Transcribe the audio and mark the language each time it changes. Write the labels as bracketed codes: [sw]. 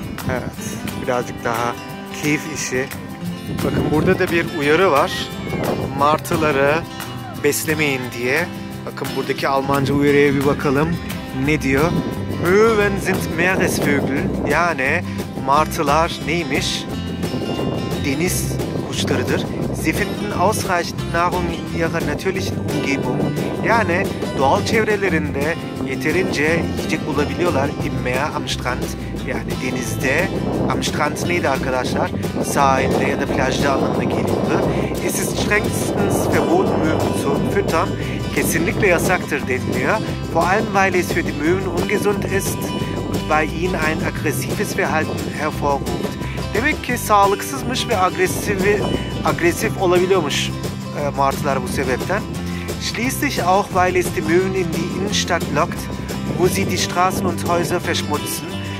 [tr] Evet, birazcık daha keyif işi. Bakın burada da bir uyarı var. Martıları beslemeyin diye. Bakın buradaki Almanca uyarıya bir bakalım. Ne diyor? [de] Möwen sind Meeresvögel. [tr] Yani martılar neymiş? Deniz kuşlarıdır. [de] Sie finden ausreichend Nahrung in ihrer natürlichen Umgebung. [tr] Yani doğal çevrelerinde yeterince yiyecek bulabiliyorlar. [de] Im Meer am Strand. [tr] Yani denizde. [de] Am Strand [tr] neydi arkadaşlar? Sahilde ya da plajda anlamına geliyordu. [de] Es ist strengstens verboten Möwen zu füttern. [tr] Kesinlikle yasaktır deniliyor. [de] Vor allem weil es für die Möwen ungesund ist und bei ihnen ein aggressives Verhalten hervorruft. [tr] Demek ki sağlıksızmış ve agresif olabiliyormuş martılar bu sebepten. [de] Schließlich auch weil es die Möwen in die Innenstadt lockt, wo sie die Straßen und Häuser verschmutzen.